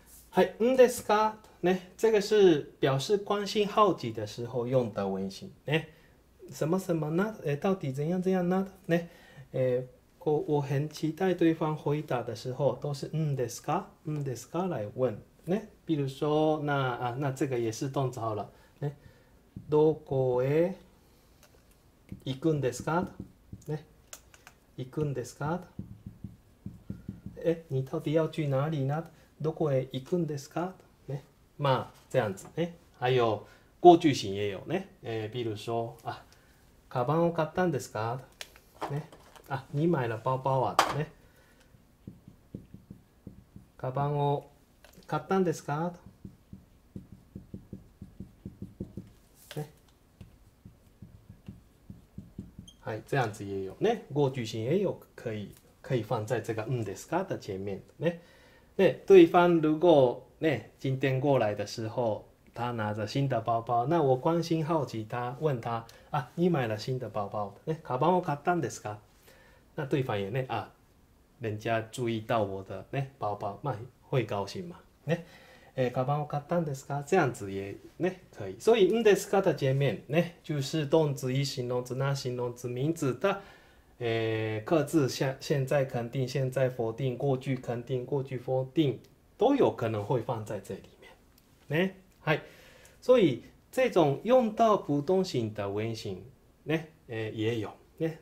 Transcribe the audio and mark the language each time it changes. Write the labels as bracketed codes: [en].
[zh] はい、んですか？ね、这个是表示关心、好奇的时候用的文型。ね、什么什么呢？到底怎样怎样呢？ね、我很期待对方回答的时候，都是んですか？んですか？来问。ね、比如说，那这个也是动词好了。 [ja] ね、どこへ行くんですか？ね、行くんですか？ [zh] 你到底要去哪里呢？ [ja] どこへ行くんですか？ [zh] ね、まあ、这样子ね。还有、过去形也有ね。比如说、あ、 [ja] カバンを買ったんですか？ [zh] ね、あ、你买了包包啊？ [ja] ね、カバンを買ったんですか？ [zh] はい、这样子也有ね。过去形也有可以放在这个嗯ですか的前面ね。ね、对方如果ね、今天过来的时候，他拿着新的包包，那我关心好奇他，问他啊，你买了新的包包，ね、 [ja] カバンを買ったんですか？ [zh] 那对方也呢啊，人家注意到我的ね、包包，那会高兴嘛？ [ja] ね、カバンを買ったんですか？ [zh] 这样子也ね、可以。所以嗯ですか的前面ね、就是动词、一形容词、那形容词、名词的。各自现在肯定、现在否定、过去肯定、过去否定都有可能会放在这里面。ね、はい。所以这种用到普通型的文型ね、也有ね。